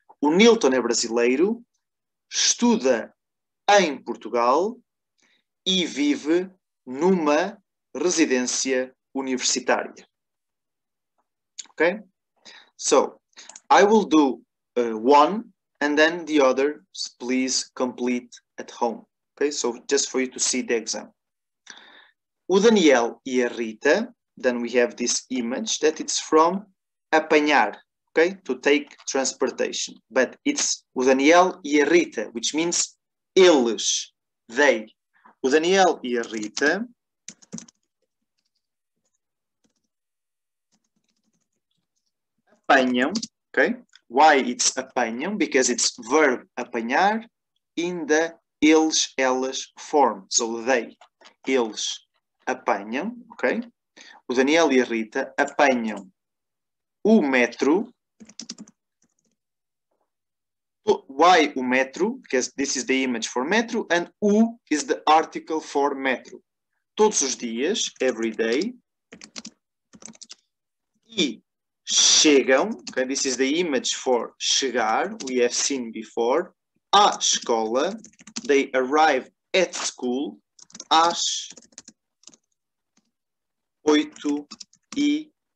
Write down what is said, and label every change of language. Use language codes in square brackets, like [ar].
[pt] O Nilton é brasileiro, estuda em Portugal e vive numa residência universitária. [en] Okay? So, I will do one, and then the other, please complete at home. Okay? So, just for you to see the exam. [pt] o Daniel e a Rita, [en] then we have this image that it's from apanhar, okay? To take transportation. But it's [pt] o Daniel e a Rita, [en] which means eles, they. [pt] O Daniel e a Rita apanham, okay? [en] Why it's apanham? Because it's verb apanhar in the eles, elas form. So they, [pt] eles apanham, [en] ok? [pt] O Daniel e a Rita apanham o metro. [en] Why o metro? Because this is the image for metro and o is the article for metro. [pt] Todos os dias, [en] every day. [pt] E chegam, [en] okay? This is the image for chegar, we have seen before, [pt] à escola, [en] they arrive at school, [pt] às 8:30.